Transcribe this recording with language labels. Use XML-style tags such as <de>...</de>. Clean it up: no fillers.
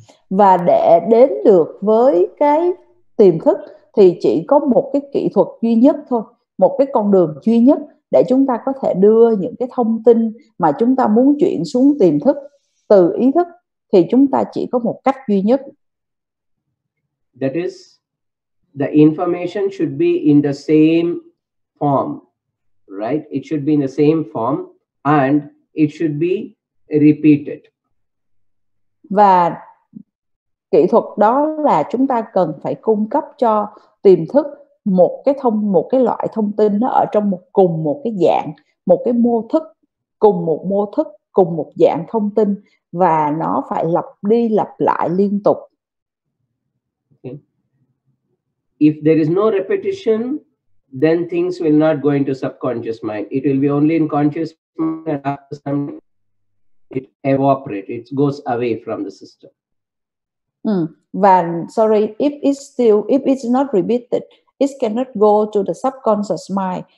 <vi>Và để đến được với cái tiềm thức thì chỉ có một cái kỹ thuật duy nhất thôi, một cái con đường duy nhất để chúng ta có thể đưa những cái thông tin mà chúng ta muốn chuyển xuống tiềm thức từ ý thức, thì chúng ta chỉ có một cách duy nhất.</vi> <en>That is the information should be in the same form, right? It should be in the same form and it should be repeated.</en> <vi>Và kỹ thuật đó là chúng ta cần phải cung cấp cho tiềm thức một cái thông một cái loại thông tin nó ở trong một cùng một cái dạng, một cái mô thức, cùng một mô thức, cùng một dạng thông tin và nó phải lặp đi lặp lại liên tục. Okay.</vi> <en>If there is no repetition, then things will not go into subconscious mind. It will be only in conscious mind after some it evaporates, it goes away from the system. If it's not repeated, it cannot go to the subconscious mind.</en>